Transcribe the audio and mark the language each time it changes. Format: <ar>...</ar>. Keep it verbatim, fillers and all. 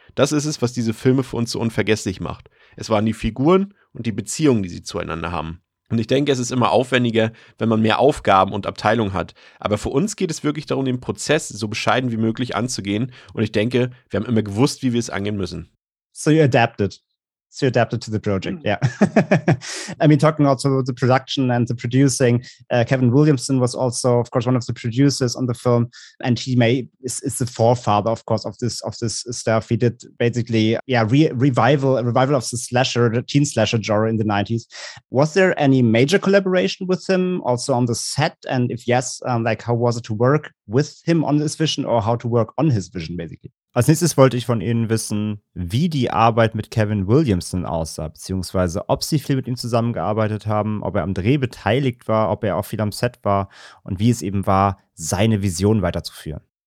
<de>Das ist es, was diese Filme für uns so unvergesslich macht. Es waren die Figuren und die Beziehungen, die sie zueinander haben. Und ich denke, es ist immer aufwendiger, wenn man mehr Aufgaben und Abteilungen hat. Aber für uns geht es wirklich darum, den Prozess so bescheiden wie möglich anzugehen. Und ich denke, wir haben immer gewusst, wie wir es angehen müssen.</de> <en>So you adapted. So adapted to the project, yeah. I mean, talking also the production and the producing, uh, Kevin Williamson was also, of course, one of the producers on the film, and he may is, is the forefather, of course, of this of this stuff. He did basically, yeah, re- revival a revival of the slasher, the teen slasher genre in the nineties. Was there any major collaboration with him also on the set? And if yes, um, like how was it to work with him on this vision, or how to work on his vision, basically?</en> <de>Als nächstes wollte ich von Ihnen wissen, wie die Arbeit mit Kevin Williamson aussah, beziehungsweise ob Sie viel mit ihm zusammengearbeitet haben, ob er am Dreh beteiligt war, ob er auch viel am Set war und wie es eben war, seine Vision weiterzuführen.</de>